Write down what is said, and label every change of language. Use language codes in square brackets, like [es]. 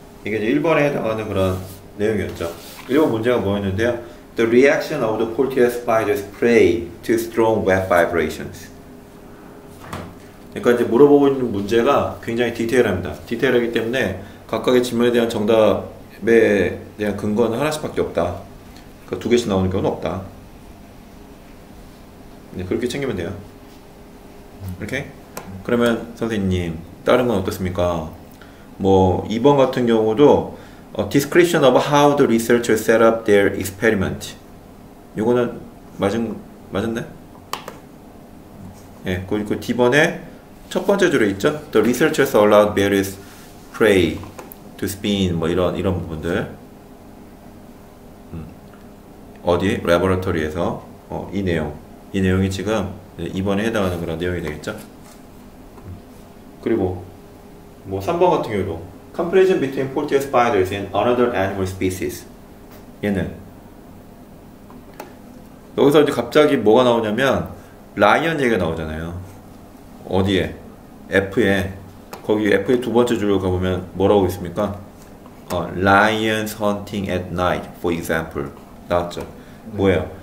[ko] 이게 이제 1번에 해당하는 그런 내용이었죠. 1번 문제가 뭐였는데요? [en] The reaction of the Portia spider's prey to strong web vibrations. [ko] 그러니까 이제 물어보고 있는 문제가 굉장히 디테일합니다. 디테일하기 때문에 각각의 질문에 대한 정답에 대한 근거는 하나씩밖에 없다. 그러니까 두 개씩 나오는 경우는 없다. 네, 그렇게 챙기면 돼요. 이렇게? 그러면 선생님, 다른 건 어떻습니까? 뭐, 2번 같은 경우도 [en] description of how the researcher set up their experiment. [ko] 요거는 맞았네? 예, 그리고 D번에 첫 번째 줄에 있죠? [en] The researchers allowed various prey to spin. [ko] 뭐 이런 부분들. 어디? Laboratory에서. 이 내용. 이 내용이 지금 2번에 해당하는 그런 내용이 되겠죠? 그리고 뭐 3번 같은 경우도. [en] Comparison between Portia spiders and another animal species. [ko] 얘는 여기서 이제 갑자기 뭐가 나오냐면 라이언 얘기가 나오잖아요. 어디에? F에 거기 F에 두 번째 줄로 가보면 뭐라고 있습니까? [en] Lions hunting at night, for example. [ko] 나왔죠. 뭐예요?